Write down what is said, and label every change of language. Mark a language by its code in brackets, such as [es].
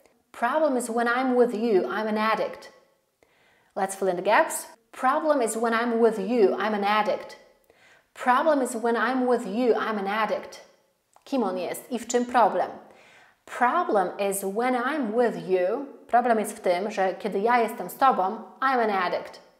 [en] Problem is when I'm with you, I'm an addict. Let's fill in the gaps. Problem is when I'm with you, I'm an addict. Problem is when I'm with you, I'm an addict. [pl] Kim on jest i w czym problem? [en] Problem is when I'm with you. [pl] Problem jest w tym, że kiedy ja jestem z tobą, [en] I'm an addict.